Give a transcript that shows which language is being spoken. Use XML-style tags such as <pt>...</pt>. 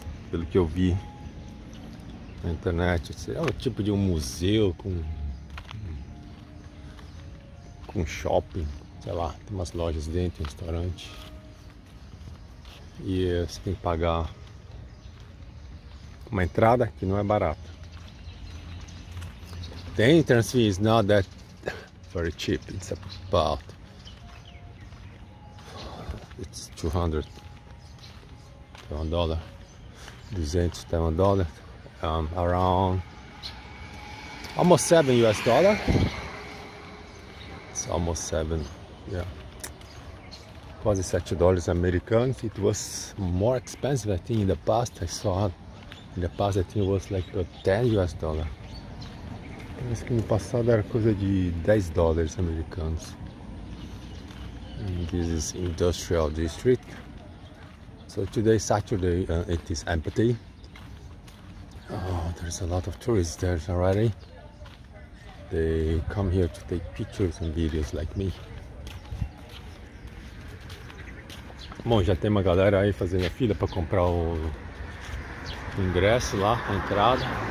<pt>Pelo que eu vi na internet, é o tipo de um museu com shopping, sei lá, tem umas lojas dentro, um restaurante. E você tem que pagar uma entrada que não é barata.</pt> <en>The entrance fee is not that very cheap, it's about $200. $200, around almost $7. It's almost seven, yeah.</en> <pt>Quase $7 Americanos.</pt> <en>It was more expensive, I think, in the past. I saw in the past, I think it was like $10.</en> <pt>Parece que no passado era coisa de $10 Americanos.</pt> <en>And this is industrial district. So today, Saturday, it is empty. Oh, there's a lot of tourists there already. They come here to take pictures and videos like me.</en> <pt>Bom, já tem uma galera aí fazendo a fila para comprar o ingresso lá, a entrada.</pt>